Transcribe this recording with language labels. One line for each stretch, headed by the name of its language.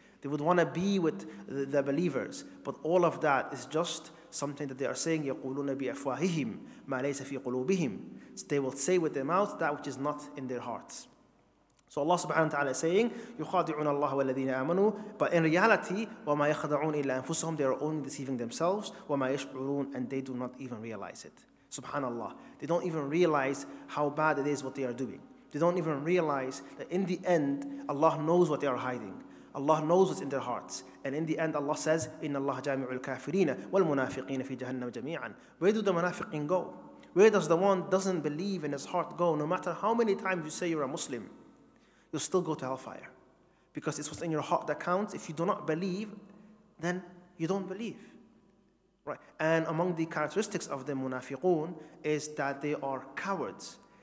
English: They would want to be with the believers. But all of that is just something that they are saying,
Arabic: يَقُولُونَ بِأَفْوَاهِهِمْ مَا لَيْسَ فِي قُلُوبِهِمْ.
English: They will say with their mouth that which is not in their hearts. So Allah subhanahu wa ta'ala is saying,
Arabic: يُخَادِعُونَ اللَّهَ وَالَّذِينَ آمَنُوا.
English: But in reality,
Arabic: وَمَا يَخَدَعُونَ إِلَّا أَنفُسَهُمْ.
English: They are only deceiving themselves.
Arabic: وَمَا يَشْعُرُونَ.
English: And they do not even realize it. Subhanallah. They don't even realize how bad it is what they are doing. They don't even realize that in the end, Allah knows what they are hiding. Allah knows what's in their hearts. And in the end, Allah says,
Arabic: إِنَّ اللَّهَ جَامِعُ الْكَافِرِينَ وَالْمُنَافِقِينَ فِي جَهَنَّمَ جَمِيعًا.
English: Where do the munafiqin go? Where does the one doesn't believe in his heart go? No matter how many times you say you're a Muslim, you'll still go to hellfire. Because it's what's in your heart that counts. If you do not believe, then you don't believe. Right? And among the characteristics of the munafiqun is that they are cowards.